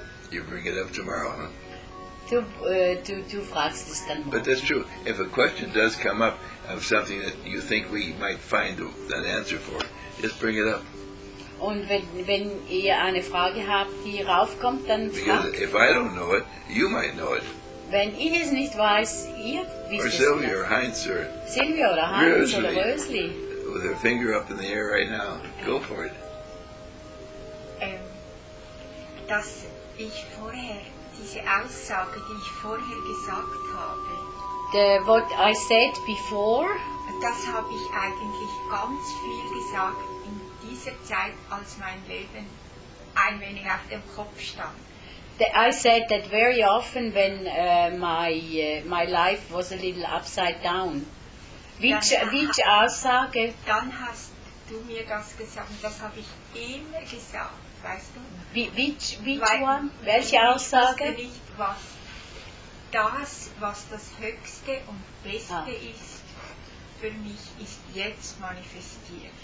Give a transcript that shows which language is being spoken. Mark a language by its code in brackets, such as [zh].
[en] You bring it up tomorrow, huh? [de] Du fragst es dann. [en] But that's true. If a question does come up of something that you think we might find an answer for, just bring it up. [de] Und wenn ihr eine Frage habt, die raufkommt, dann fragt. [en] Because if I don't know it, you might know it. [de] Wenn ich es nicht weiß, ihr wisst [en] or [de] es. Sylvia oder Heinz oder Rösli. [en] With her finger up in the air right now. Go for it. [de] Dass ich vorher diese Aussage, die ich vorher gesagt habe. [en] The, what I said before. [de] Das habe ich eigentlich ganz viel gesagt in dieser Zeit, als mein Leben ein wenig auf dem Kopf stand. [en] I said that very often when my life was a little upside down. Which Aussage? [de] Dann hast du mir das gesagt und das habe ich immer gesagt. Weißt du? [en] Which one? [de] Welche Aussage? Ich wusste nicht, was das Höchste und Beste ist, für mich ist jetzt manifestiert.